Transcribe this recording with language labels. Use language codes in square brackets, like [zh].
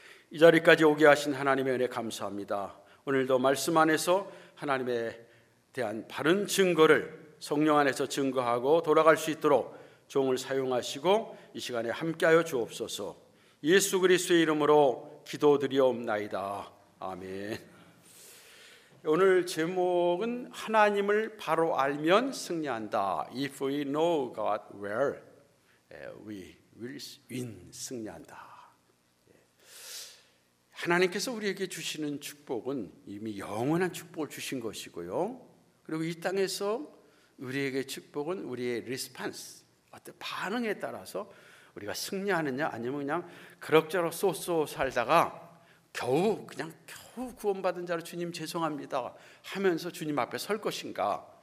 [ko] 이 자리까지 오게 하신 하나님의 은혜 감사합니다. 오늘도 말씀 안에서 하나님에 대한 바른 증거를 성령 안에서 증거하고 돌아갈 수 있도록 종을 사용하시고 이 시간에 함께하여 주옵소서. 예수 그리스도의 이름으로 기도드리옵나이다. 아멘. 오늘 제목은 하나님을 바로 알면 승리한다. [en] If we know God well, we will win. [ko] 승리한다. 하나님께서 우리에게 주시는 축복은 이미 영원한 축복을 주신 것이고요. 그리고 이 땅에서 우리에게 축복은 우리의 리스판스, 어떤 반응에 따라서 우리가 승리하느냐 아니면 그냥 그럭저럭 쏘쏘 살다가 겨우 구원받은 자로 주님 죄송합니다 하면서 주님 앞에 설 것인가.